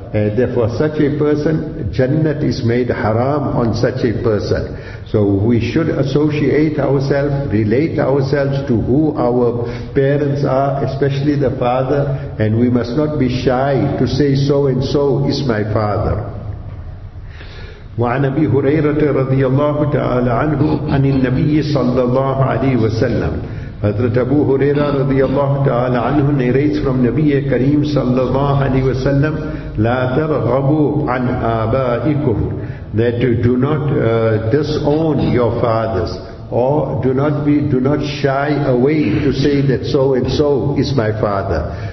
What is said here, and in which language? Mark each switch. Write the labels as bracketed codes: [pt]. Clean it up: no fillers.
[en] And therefore such a person, Jannat is made haram on such a person. So we should associate ourselves, relate ourselves to who our parents are, especially the father, and we must not be shy to say so and so is my father. [ar] وعن أبي هريرة رضي الله تعالى عنه عن النبي صلى الله عليه وسلم. حضرت أبو هريرة رضي الله تعالى عنه [en] narrates from [ar] نبي كريم صلى الله عليه وسلم, لا ترغبوا عن آبائكم, [en] that do not disown your fathers, or do not shy away to say that so and so is my father.